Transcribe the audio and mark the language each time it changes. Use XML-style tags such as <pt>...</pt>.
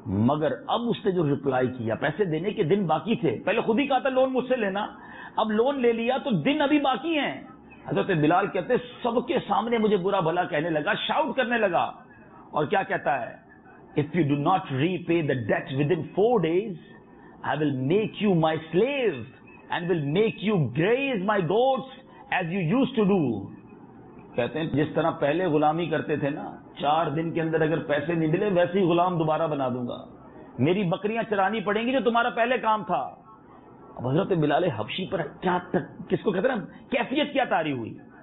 <ur>مگر اب اس نے جو ریپلائی کیا, پیسے دینے کے دن باقی تھے, پہلے خود ہی کہا تھا لون مجھ سے لینا, اب لون لے لیا تو دن ابھی باقی ہیں. حضرت بلال کہتے ہیں سب کے سامنے مجھے برا بھلا کہنے لگا, شاؤٹ کرنے لگا, اور کیا کہتا ہے,</ur> <en>If you do not repay the debt within 4 days, I will make you my slave. And will make you graze my goats as you used to do.</en> <ur>کہتے ہیں جس طرح پہلے غلامی کرتے تھے نا, چار دن کے اندر اگر پیسے نہیں ملے ویسے ہی غلام دوبارہ بنا دوں گا, میری بکریاں چرانی پڑیں گی جو تمہارا پہلے کام تھا. اب حضرت بلال حبشی پر کیا تک, کس کو کہتے ہیں نا, کیفیت کیا تاری ہوئی.</ur>